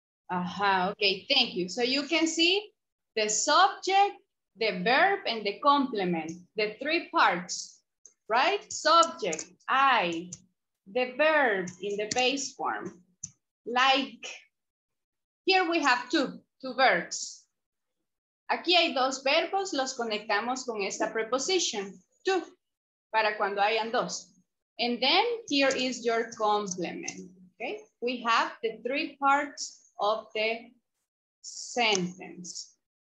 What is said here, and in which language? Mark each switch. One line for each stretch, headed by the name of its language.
English: Uh-huh. Okay, thank you. So you can see the subject, the verb, and the complement, the three parts, right? Subject, I, the verb in the base form, like. Here we have two verbs.
Spanish: Aquí hay dos verbos, los conectamos con esta preposición, to, para cuando hayan dos.
English: And then here is your complement, okay? We have the three parts of the sentence.